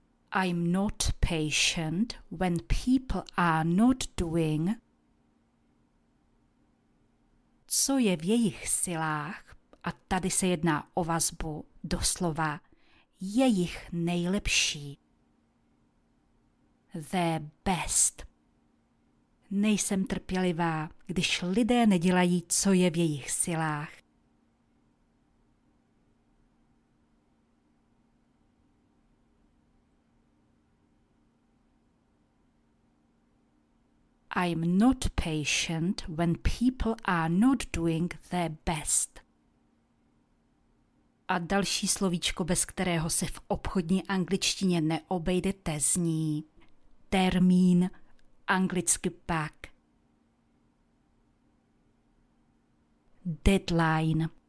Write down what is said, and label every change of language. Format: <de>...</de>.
<en>I'm not patient when people are not doing.</en> <cs>Co je v jejich silách, a tady se jedná o vazbu, doslova, jejich nejlepší.</cs> <en>Their best.</en> <cs>Nejsem trpělivá, když lidé nedělají, co je v jejich silách.</cs> <en>I'm not patient when people are not doing their best.</en> <cs>A další slovíčko, bez kterého se v obchodní angličtině neobejdete, zní termín, anglicky pak</cs> <en>deadline.</en>